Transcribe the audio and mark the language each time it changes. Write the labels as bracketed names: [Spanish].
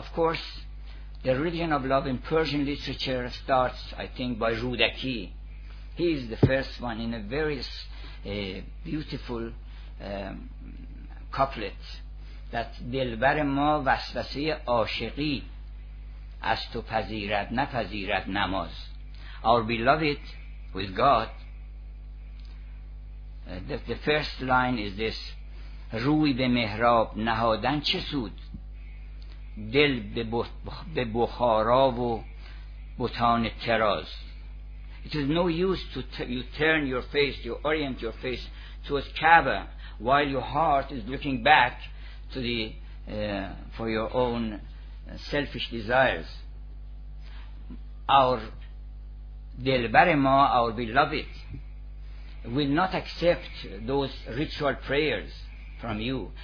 [English] Of course, the religion of love in Persian literature starts, I think, by Rudaki. He is the first one in a very beautiful couplet that [Persian] دلبر ما وسوسه عاشقی از تو پذیرد نپذیرد نماز. [English] Our beloved with God, the first line is this: [Persian] روی به محراب نهادن چه سود، دل به بخارا و بتان طراز. [English] It is no use to you turn your face, you orient your face towards Kaaba while your heart is looking back to the for your own selfish desires. Our [Persian] دلبر ما, [English] our beloved, will not accept those ritual prayers from you.